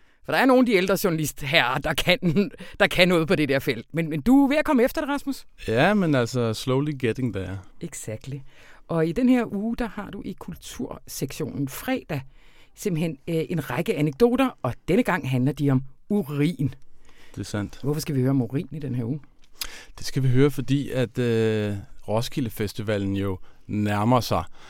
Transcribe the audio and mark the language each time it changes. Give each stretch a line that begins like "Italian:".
Danish: For der er nogle af de ældre journalister her, der kan noget på det der felt. Men du er ved at komme efter det, Rasmus. Ja, men altså
English: slowly getting there. Exactly.
Danish: Og i den her uge, der har du i kultursektionen fredag simpelthen en række anekdoter, og denne gang handler de om urin. Det er sandt. Hvorfor skal vi høre om urin i den her uge? Det skal vi høre, fordi at Roskilde Festivalen jo nærmer sig.